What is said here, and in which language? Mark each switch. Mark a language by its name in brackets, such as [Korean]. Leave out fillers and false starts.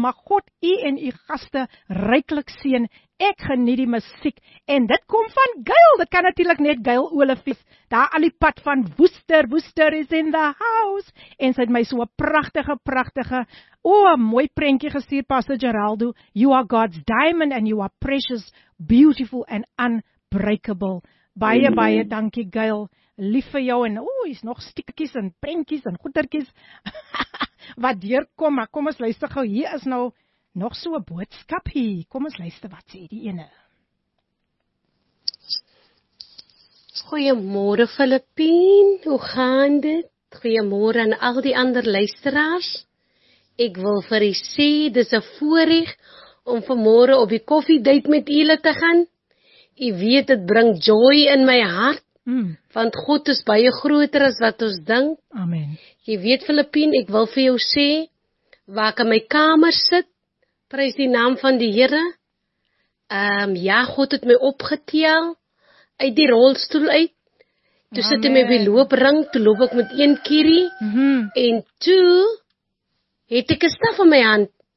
[Afrikaans] Mag God u en u gaste ryklik seën. Ek geniet die musiek en dit kom van Gail. Dit kan natuurlik net Gail Olivies. Daar al die pad van Woester. [English] Woester is in the house. [Afrikaans] En sy het my so 'n pragtige o, mooi prentjie gestuur, Pastor Geraldo. [English] You are God's diamond and you are precious, beautiful and unbreakable. [Afrikaans] Baie baie dankie Gail. Lief vir jou en is nog stiekies en prentjies en goetertjies. Wat deurkom, maar kom ons luister gou. Hier is nou nog so 'n boodskap hier. Kom ons luister wat sê die ene. Goeiemôre Filippien. Hoe gaan dit? Goeiemôre aan al die ander luisteraars. Ek wil vir u sê, dis 'n voorreg om vanmôre op die koffiedייט met julle te gaan. U weet dit bring joy in my hart. Want God is baie groter as wat ons dink. Amen. Jy weet Filippien, ek wil vir jou sê, waar ek in my kamer sit, prys die naam van die Here. Ja, God het my opgetel uit die rolstoel uit. Toe Amen. Sit hy my by loopring, toe loop ek met een kierie. En toe het ek 'n staf in my hand.